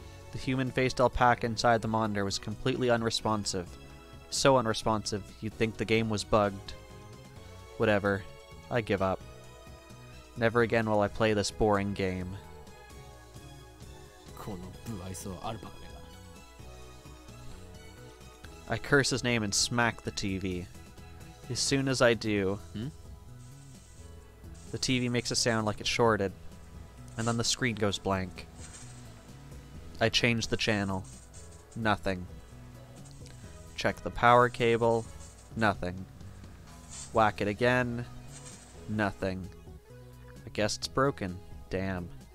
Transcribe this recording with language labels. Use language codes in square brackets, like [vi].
[en] The human-faced alpaca inside the monitor was completely unresponsive. So unresponsive, you'd think the game was bugged. Whatever. I give up. Never again will I play this boring game. [ja] この不愛想アルパカメが。 [en] I curse his name and smack the TV. As soon as I do, the TV makes a sound like it shorted, and then the screen goes blank. I change the channel. Nothing. Check the power cable. Nothing. Whack it again. Nothing. I guess it's broken. Damn.